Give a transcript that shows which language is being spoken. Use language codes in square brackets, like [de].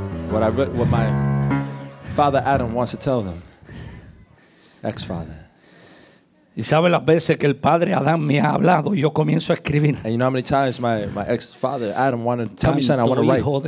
[en] What my father Adam wants to tell them. Ex father. [es] Y sabe las veces que el padre Adán me ha hablado y yo comienzo a escribir. [en] And you know how many times my ex father Adam wanted to tell me something I want to write.